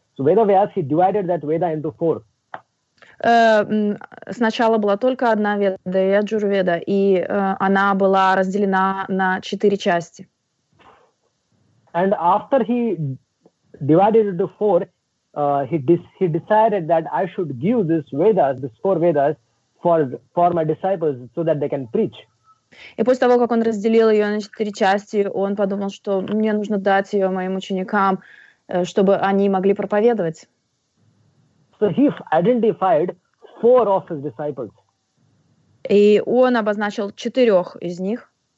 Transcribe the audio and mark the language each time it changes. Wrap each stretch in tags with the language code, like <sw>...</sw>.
<en>So Vedavyas, he divided that Veda into four.</en> <ru>Сначала была только одна Веда, Яджурведа, и она была разделена на четыре части.</ru> <en>And after he divided into four, he decided that I should give this Vedas, these four Vedas, for my disciples, so that they can preach.</en> <ru>И после того, как он разделил ее на четыре части, он подумал, что мне нужно дать ее моим ученикам, чтобы они могли проповедовать.</ru> <en>So he identified four of his disciples.</en> <ru>И он обозначил четырех из них.</ru>